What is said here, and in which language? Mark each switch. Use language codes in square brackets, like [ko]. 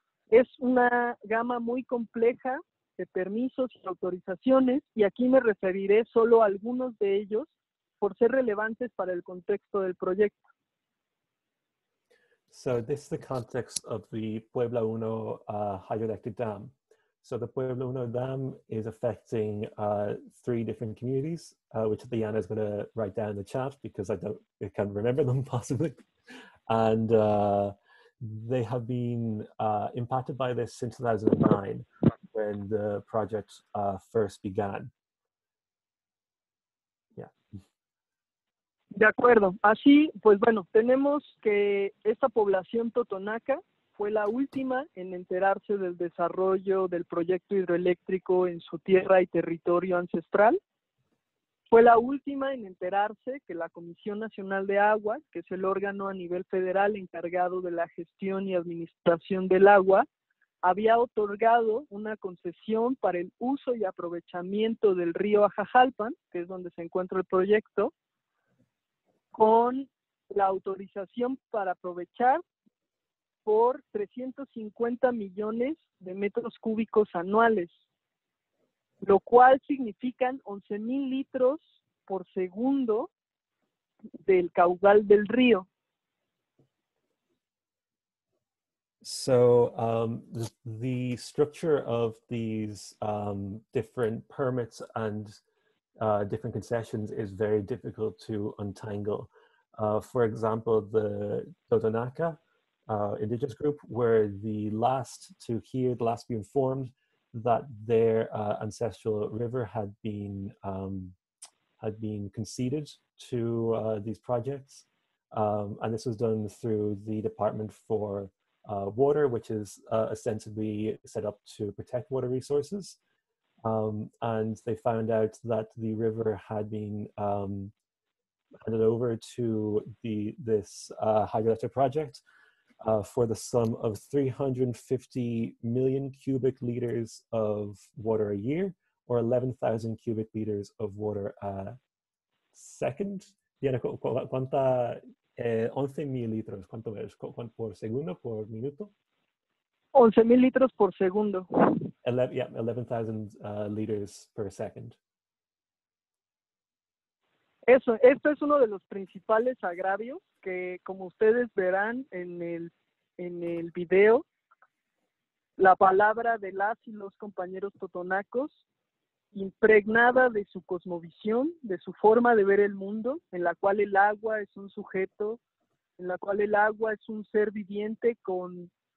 [es] Es una gama muy compleja de permisos y autorizaciones, y aquí me referiré solo a algunos de ellos por ser relevantes para el contexto del proyecto. [en] So this is the context of the Puebla 1 hydroelectric dam. So the Puebla 1 dam is affecting 3 different communities, which Liana is going to write down in the chat because I can't remember them possibly. And they have been impacted by this since 2009 when the project first began. [es] De acuerdo. Así, pues bueno, tenemos que esta población totonaca fue la última en enterarse del desarrollo del proyecto hidroeléctrico en su tierra y territorio ancestral. Fue la última en enterarse que la Comisión Nacional de Agua, que es el órgano a nivel federal encargado de la gestión y administración del agua, había otorgado una concesión para el uso y aprovechamiento del río Ajajalpan, que es donde se encuentra el proyecto, con la autorización para aprovechar por 350 millones de metros cúbicos anuales, lo cual significan 11.000 litros por segundo del caudal del río. [en] So, the structure of these different permits and different concessions is very difficult to untangle. For example, the Totonaca indigenous group were the last to hear, the last to be informed that their ancestral river had been conceded to these projects. And this was done through the Department for Water, which is ostensibly set up to protect water resources. And they found out that the river had been handed over to this hydroelectric project for the sum of 350 million cubic liters of water a year, or 11,000 cubic liters of water a second. [es] Diana, ¿cuánta? 11 mil litros, ¿cuánto es? ¿Por segundo, por minuto? 11,000 litros por segundo. [en] 11,000 liters per second. [es] Eso, esto es uno de los principales agravios que, como ustedes verán en el video, la palabra de las y los compañeros totonacos, impregnada de su cosmovisión, de su forma de ver el mundo, en la cual el agua es un sujeto, en la cual el agua es un ser viviente con